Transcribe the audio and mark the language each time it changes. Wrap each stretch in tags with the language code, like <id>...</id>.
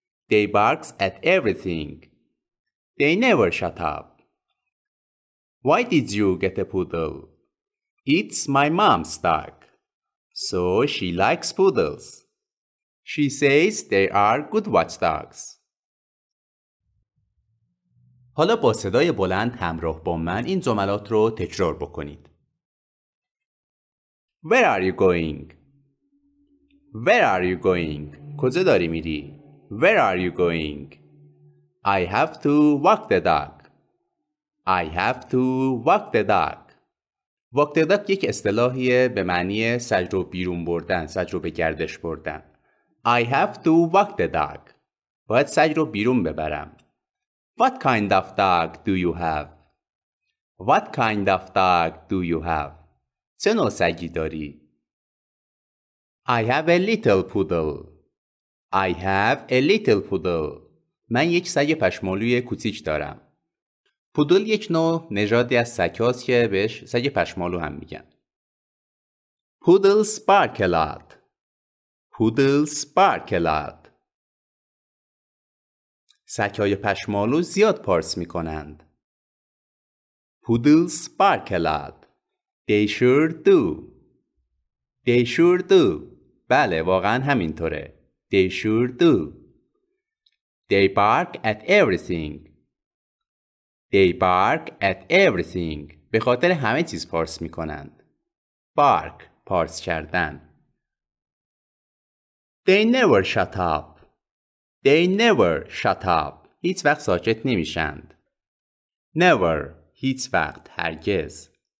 <en>They barks at everything. They never shut up. Why did you get a poodle? It's my mom's dog. So she likes poodles. She says they are good watchdogs.</en> <fa>حالا با صدای بلند همراه با من این جملات رو تکرار بکنید.</fa> <en>Where are you going? Where are you going?</en> <fa>کجا داری میری؟</fa> <en>Where are you going? I have to walk the dog. I have to walk the dog. Walk the dog</en> <fa>یک اصطلاحیه به معنی سگ رو بیرون بردن، سگ رو به گردش بردن.</fa> <en>I have to walk the dog.</en> <fa>باید سگ رو بیرون ببرم.</fa> <en>What kind of dog do you have? What kind of dog do you have?</en> <fa>چه نوع سگی داری؟</fa> <en>I have a little poodle. I have a little poodle.</en> <fa>من یک سگ پشمالوی کوچیک دارم. پودل یک نوع نژادی از سگ‌هاست که بهش سگ پشمالو هم میگن.</fa> <en>Poodles bark a lot. Poodles bark a lot.</en> <fa>سگ‌های پشمالو زیاد پارس میکنند.</fa> <en>Poodles bark a lot. They sure do. They sure do.</en> <fa>بله، واقعا همینطوره.</fa> <en>They sure do. They bark at everything. They bark at everything.</en> <fa>به خاطر همه چیز پارس می کنند.</fa> <en>Bark</en> <fa>پارس کردن.</fa> <en>They never shut up. They never shut up.</en> <fa>هیچ وقت ساکت نمی شند.</fa> <en>Never</en> <fa>هیچ وقت، هرگز.</fa>